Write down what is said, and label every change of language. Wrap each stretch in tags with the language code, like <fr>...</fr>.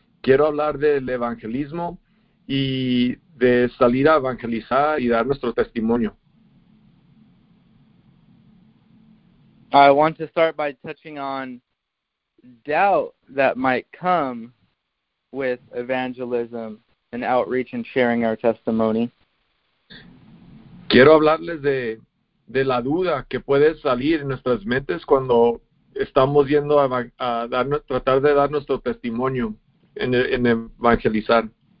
<es>Quiero hablar del evangelismo y de salir a evangelizar y dar nuestro testimonio.</es> <en>I want to start by touching on doubt that might come with evangelism and outreach and sharing our testimony.</en> <es>Quiero hablarles de la duda que puede salir en nuestras mentes cuando estamos yendo a tratar de dar nuestro testimonio en evangelizar.</es>